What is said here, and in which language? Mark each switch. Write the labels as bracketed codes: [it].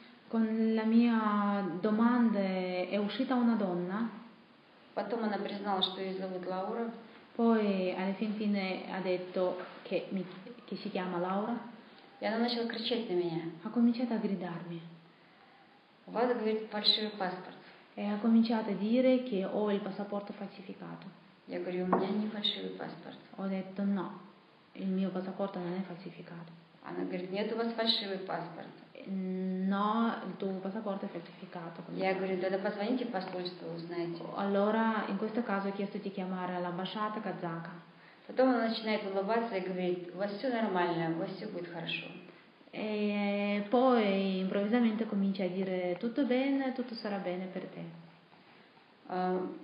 [it] Con la mia domanda è uscita una donna. [ru] Потом она признала, что ее зовут Лаура. [it] Poi alla fin fine ha detto che mi che si chiama Laura. [ru] И она начала кричать на меня. [it] Ha cominciato a gridarmi. Vado a vedere il falso passaporto. E ha cominciato a dire che ho il passaporto falsificato. [ru] Я говорю, у меня не фальшивый паспорт. [it] Ho detto no, il mio passaporto non è falsificato. [ru] Она говорит, нет у вас фальшивый паспорт. [it] No, il tuo passaporto è falsificato. [ru] Я говорю, тогда позвоните в посольство, узнаете. [it] Allora, in questo caso ho chiesto di chiamare l'ambasciata kazaka. [ru] Потом она начинает улыбаться и говорит, у вас все нормально, у вас все будет хорошо. [it] E poi improvvisamente comincia a dire tutto bene, tutto sarà bene per te.